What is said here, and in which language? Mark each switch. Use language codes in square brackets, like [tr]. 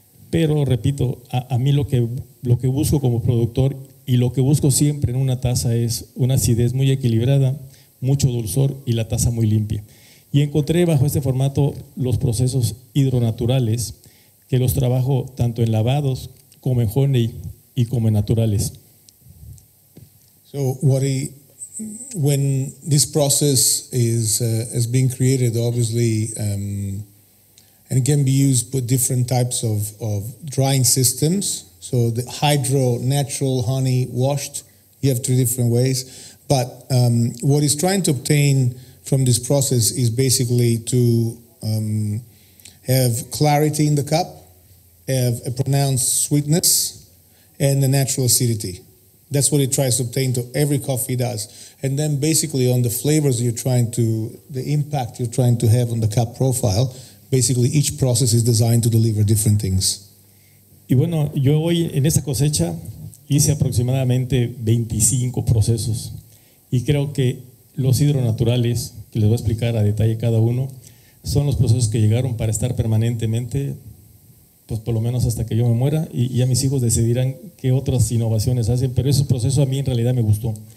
[es] Pero, repito, a mí lo que busco como productor y lo que busco siempre en una taza es una acidez muy equilibrada, mucho dulzor y la taza muy limpia. Y encontré bajo este formato los procesos hidronaturales que los trabajo tanto en lavados como en honey y como en naturales. [en] So what he, when this process is being created, obviously, and it can be used with different types of drying systems. So the hydro natural honey washed, you have three different ways. But what he's trying to obtain from this process is basically to have clarity in the cup, have a pronounced sweetness, and the natural acidity. That's what it tries to obtain to every coffee does. And then basically on the flavors you're trying to, the impact you're trying to have on the cup profile, basically each process is designed to deliver different things. [es] Y bueno, yo hoy en esta cosecha hice aproximadamente 25 procesos. Y creo que los hidronaturales, que les voy a explicar a detalle cada uno, son los procesos que llegaron para estar permanentemente, pues por lo menos hasta que yo me muera, y ya mis hijos decidirán qué otras innovaciones hacen, pero ese proceso a mí en realidad me gustó.